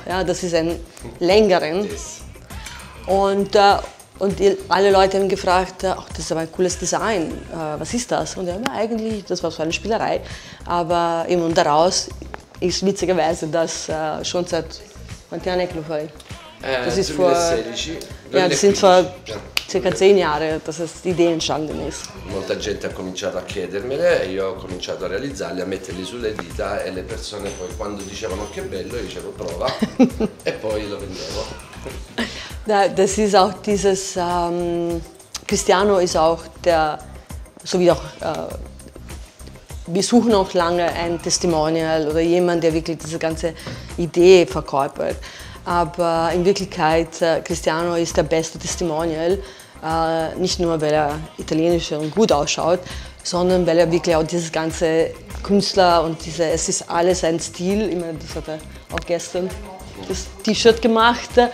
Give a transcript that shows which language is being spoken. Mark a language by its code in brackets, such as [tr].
[de] Ja, das ist ein längeren. Und alle Leute haben gefragt, ach, das ist aber ein cooles Design, was ist das? Und er hat eigentlich, das war so eine Spielerei, aber eben und daraus ist witzigerweise das schon seit [it] quanti anni che lo fai? [de] Das ist 2016, vor, ja, das sind vor circa 10 Jahre, dass es die Idee entstanden ist. [it] Molta gente ha cominciato a chiedermele e io ho cominciato a realizzarle, a metterli sulle dita e le persone poi quando dicevano che bello, io dicevo prova e poi lo vendevo. [de] Das ist auch dieses Cristiano ist auch der, so wie auch wir suchen auch lange ein Testimonial oder jemand, der wirklich diese ganze Idee verkörpert. Aber in Wirklichkeit, Cristiano ist der beste Testimonial, nicht nur, weil er italienisch und gut ausschaut, sondern weil er wirklich auch dieses ganze Künstler und diese, es ist alles sein Stil, ich meine, das hat er auch gestern das T-Shirt gemacht.